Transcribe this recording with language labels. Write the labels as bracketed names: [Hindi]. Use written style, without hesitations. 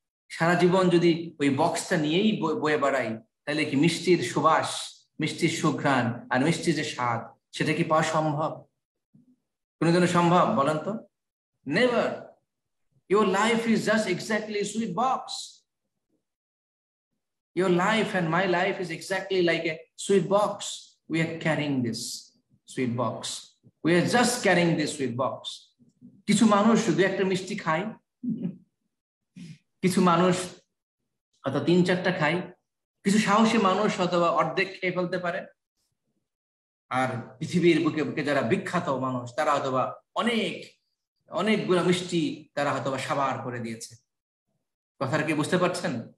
[Bangla] সারা জীবন যদি ওই বক্সটা নিয়েই বয়ে বেড়াই তাহলে কি মিষ্টির সুবাস, মিষ্টির সুঘ্রাণ আর মিষ্টির যে স্বাদ সেটা কি পাওয়া সম্ভব, কোনোদিনও সম্ভব বলেন তো? [English] Never. Your life is just exactly sweet box, Your life and my life is exactly like a sweet box. We are carrying this sweet box. We are just carrying this sweet box. [Bangla] কিছু মানুষ শুধু একটা মিষ্টি খায়, কিছু মানুষ হয়তো তিন চারটা খায়, কিছু সাহসী মানুষ হয়তো অর্ধেক খেয়ে ফেলতে পারে, আর পৃথিবীর বুকে বুকে যারা বিখ্যাত মানুষ তারা হয়তো বা অনেক অনেকগুলো মিষ্টি তারা হয়তো বা সাবার করে দিয়েছে। কথাটা কি বুঝতে পারছেন?